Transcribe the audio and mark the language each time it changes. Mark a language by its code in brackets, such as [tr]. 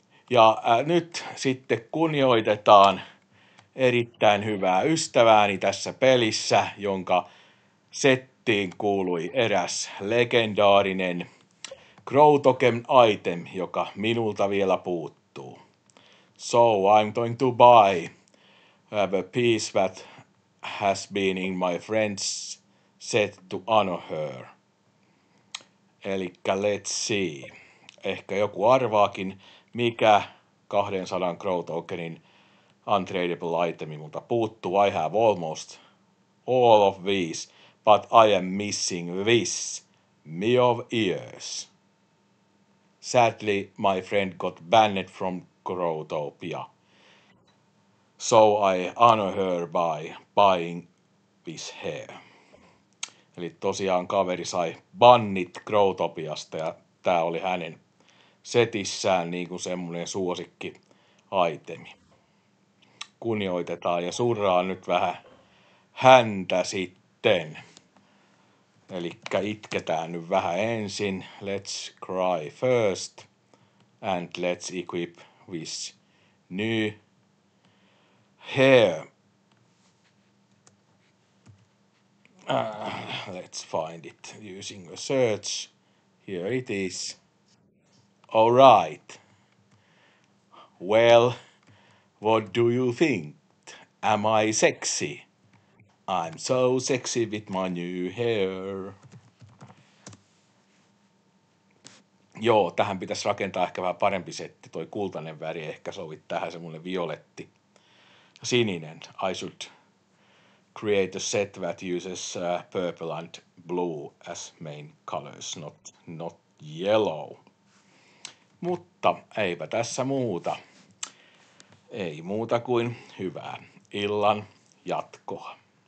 [fi] Ja nyt sitten kunnioitetaan erittäin hyvää ystävääni tässä pelissä, jonka settiin kuului eräs legendaarinen Crow Token item, joka minulta vielä puuttuu. [en] So I'm going to buy the piece that has been in my friend's set to honor her. [fi] Elikkä [en] let's see. [fi] Ehkä joku arvaakin, mikä 200 Crow Tokenin untradeable itemi multa puuttuu. [en] I have almost all of these, but I am missing this. Me of ears. Sadly, my friend got banned from Crowtopia. So I honor her by buying this hair. [fi] Eli tosiaan kaveri sai bannit Crowtopiasta ja tää oli hänen setissään niin kuin semmoinen suosikki itemi. Kunnioitetaan ja surraan nyt vähän häntä sitten. Elikkä itketään nyt vähän ensin. [en] Let's cry first. And let's equip this new hair. Let's find it using a search. Here it is. All right. Well, what do you think? Am I sexy? I'm so sexy with my new hair. [fi] Joo, tähän pitäisi rakentaa ehkä vähän parempi setti. Toi kultainen väri ehkä sovit tähän semmoinen violetti. Sininen. [en] I should create a set that uses purple and blue as main colors, not yellow. [fi] Mutta eipä tässä muuta. Ei muuta kuin hyvää illan jatkoa.